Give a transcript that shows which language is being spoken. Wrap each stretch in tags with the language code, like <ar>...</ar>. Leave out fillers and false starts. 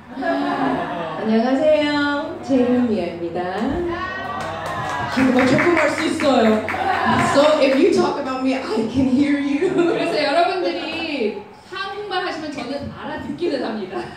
<ko>안녕하세요, 제 이름 미아입니다. 기도가 조금 할 수 있어요.</ko> <en>So if you talk about me, I can hear you.</en> <ko>그래서 여러분들이 한국말 하시면 저는 알아듣기는 합니다.</ko>